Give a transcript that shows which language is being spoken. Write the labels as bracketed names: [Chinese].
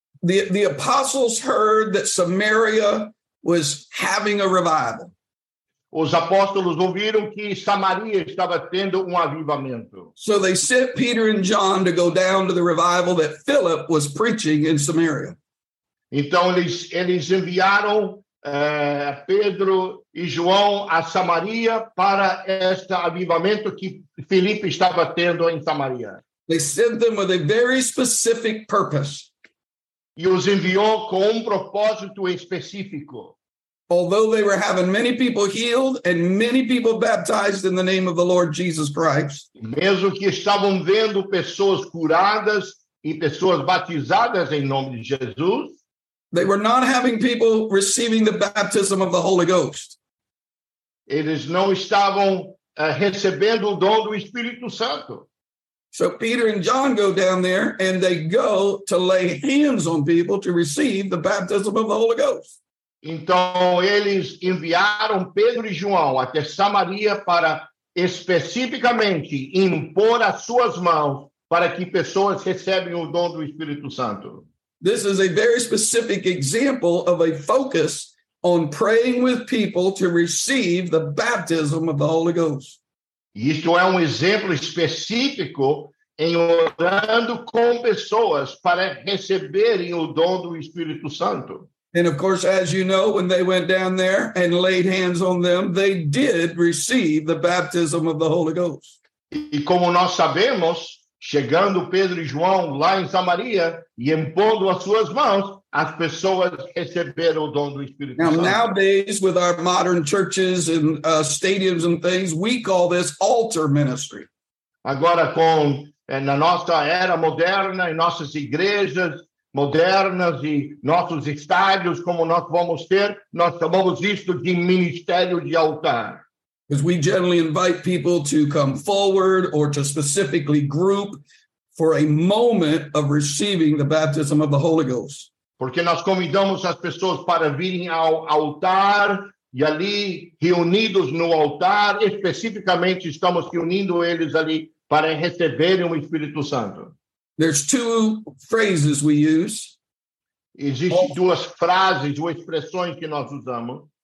[English] The apostles heard that Samaria was having a revival. [Portuguese] Os apóstolos ouviram que Samaria estava tendo avivamento. [English] So they sent Peter and John to go down to the revival that Philip was preaching in Samaria. [Portuguese] Então eles enviaram Pedro e João a Samaria para este avivamento que Felipe estava tendo em Samaria. [English] They sent them with a very specific purpose. [Portuguese] E os enviou com propósito específico. [English] Although they were having many people healed and many people baptized in the name of the Lord Jesus Christ. [Portuguese] Mesmo que estavam vendo pessoas curadas e pessoas batizadas em nome de Jesus. [English] They were not having people receiving the baptism of the Holy Ghost. [Portuguese] Eles não estavam recebendo o dom do Espírito Santo. [English] So Peter and John go down there and they go to lay hands on people to receive the baptism of the Holy Ghost. [Portuguese] Então, eles enviaram Pedro e João até Samaria para especificamente impor as suas mãos para que pessoas recebam o dom do Espírito Santo. [English] This is a very specific example of a focus on praying with people to receive the baptism of the Holy Ghost. [Portuguese] Isto é exemplo específico em orando com pessoas para receberem o dom do Espírito Santo. [English] And of course, as you know, when they went down there and laid hands on them, they did receive the baptism of the Holy Ghost. [Portuguese] E como nós sabemos, chegando Pedro e João lá em Samaria e impondo as suas mãos, as pessoas receberam o dom do Espírito Santo. [English] Now, nowadays, with our modern churches and stadiums and things, we call this altar ministry. [Portuguese] Agora, com na nossa era moderna, em nossas igrejas modernas e nossos estádios, como nós vamos ter, nós chamamos isto de ministério de altar. [English] Because we generally invite people to come forward or to specifically group for a moment of receiving the baptism of the Holy Ghost. [Portuguese] Porque nós convidamos as pessoas para virem ao altar E ali, reunidos no altar, especificamente estamos reunindo eles ali para receberem o Espírito Santo. [English] There's two phrases we use. [Portuguese] Existem duas frases, duas expressões que nós usamos.